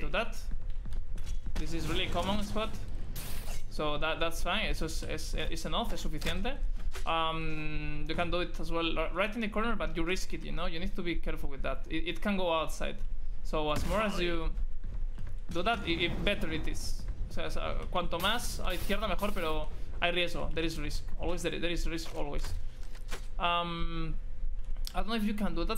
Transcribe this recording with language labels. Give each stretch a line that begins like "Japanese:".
English: Do that. This is really common spot. So that's fine.
Spanish: Eso es enough, es suficiente.
English: You can do it as well right in the corner, but you risk it, you know? You need to be careful with that. It can go outside. So as more as you do that, it better it is.
Spanish: O sea, cuanto más a izquierda mejor, pero hay riesgo.
English: There is risk. Always there is risk, always. I don't know if you can do that